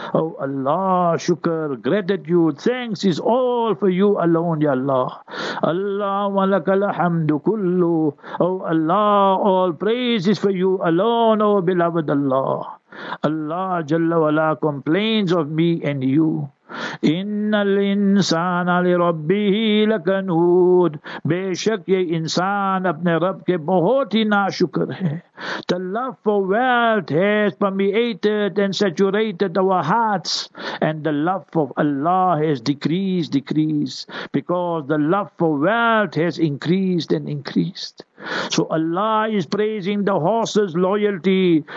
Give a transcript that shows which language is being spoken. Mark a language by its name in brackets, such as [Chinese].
[English] Oh Allah, shukr, gratitude, thanks is all for you alone, ya Allah. [Arabic] Allahumma laka alhamdu kullu. [English] Oh Allah, all praise is for you alone, oh beloved Allah. Allah Jalla Wala complains of me and you. [Arabic] إِنَّ الْإِنسَانَ لِرَبِّهِ لَكَنُود [Urdu] بے شک یہ انسان اپنے رب کے بہت ہی ناشکر ہے. [English] The love for wealth has permeated and saturated our hearts, and the love of Allah has decreased, because the love for wealth has increased. So Allah is praising the horse's loyalty.